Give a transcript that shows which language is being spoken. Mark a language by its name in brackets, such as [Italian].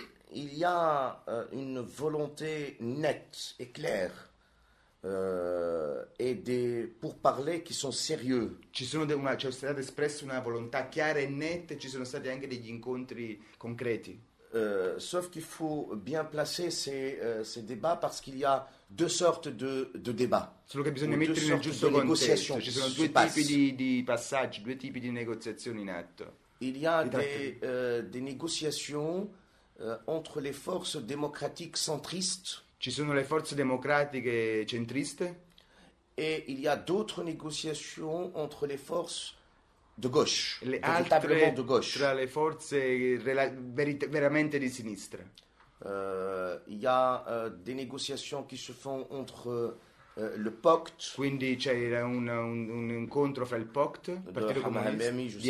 [French] Il y a une volonté nette et claire et des pourparlers qui sont sérieux. [Italian] Ci sono c'è stata espressa una volontà chiara e netta e ci sono stati anche degli incontri concreti. [French] Sauf qu'il faut bien placer ces débats parce qu'il y a deux sortes de débats. [Italian] Solo che bisogna mettere nel giusto contesto. Ci sono due tipi di passaggi, due tipi di negoziazioni in atto. [French] Il y a des négociations entre les forces démocratiques centristes. [Italian] Ci sono le forze democratiche centriste. [French] Et il y a d'autres négociations entre les forces de gauche. [Italian] Le altre [French] de gauche. [Italian] Tra le forze veramente di sinistra. [French] Il y a des négociations qui se font entre le POCT. [Italian] Quindi c'è un incontro fra il POCT, partito comunista, di